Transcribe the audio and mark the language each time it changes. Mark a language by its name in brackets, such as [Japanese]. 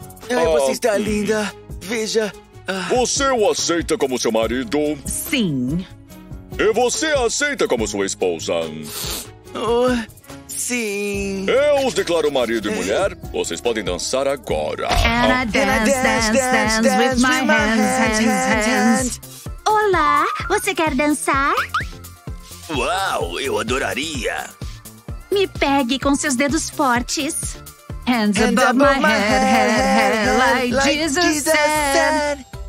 [Portuguese] Ai, você está linda. Veja. Você o aceita como seu marido? Sim. E você o aceita como sua esposa? Sim. Eu os declaro marido e mulher. Vocês podem dançar agora. [English] Anna, dance with my hands. [Portuguese] Olá, você quer dançar? Uau, eu adoraria. Me pegue com seus dedos fortes. [English] Hands above my head, like Jesus said.